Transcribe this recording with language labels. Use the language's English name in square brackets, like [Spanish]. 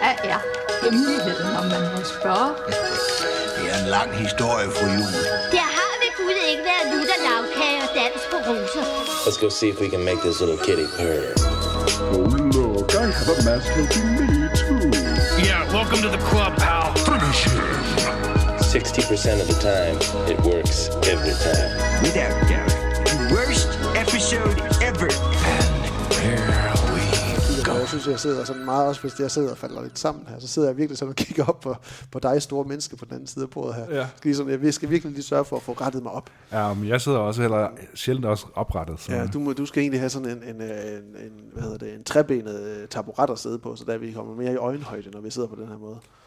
[Danish] Ja, hemmeligheden, om man må spørge. Det er en lang historie for julen. Der har vi budt ikke været lutter, lavkage og dans på roser. [English] Let's go see if we can make this little kitty purr. Oh look, I have a mask looking me too. Yeah, welcome to the club, pal. Finish him. 60% of the time, it works every time. Without doubt, the worst episode ever. [Danish] Jeg synes, jeg sidder sådan meget, også hvis jeg sidder og falder lidt sammen her, så sidder jeg virkelig sådan og kigger op på dig store menneske på den anden side af bordet her. Ja. Ligesom, jeg skal virkelig lige sørge for at få rettet mig op. Ja, men jeg sidder også heller sjældent også oprettet. Ja, du skal egentlig have sådan en hvad hedder det, en trebenet taburet at sidde på, så der vi kommer mere i øjenhøjde, når vi sidder på den her måde.